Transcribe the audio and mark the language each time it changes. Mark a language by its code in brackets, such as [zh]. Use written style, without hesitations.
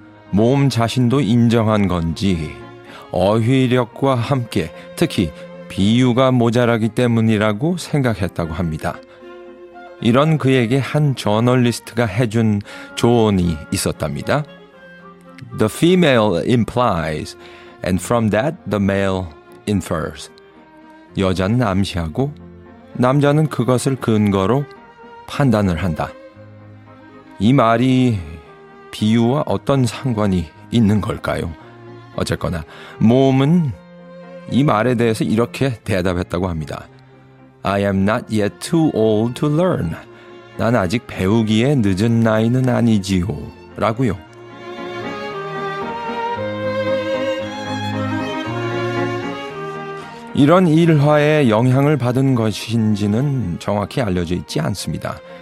[ko] 모음 자신도 인정한 건지 어휘력과 함께 특히 비유가 모자라기 때문이라고 생각했다고 합니다. 이런 그에게 한 저널리스트가 해준 조언이 있었답니다. [en] The female implies, and from that the male infers. [ko] 여자는 암시하고 남자는 그것을 근거로 판단을 한다. 이 말이 비유와 어떤 상관이 있는 걸까요? 어쨌거나 모음은 이 말에 대해서 이렇게 대답했다고 합니다. [en] I am not yet too old to learn. [ko] 난 아직 배우기에 늦은 나이는 아니지요. 라고요. 이런 일화에 영향을 받은 것인지는 정확히 알려져 있지 않습니다.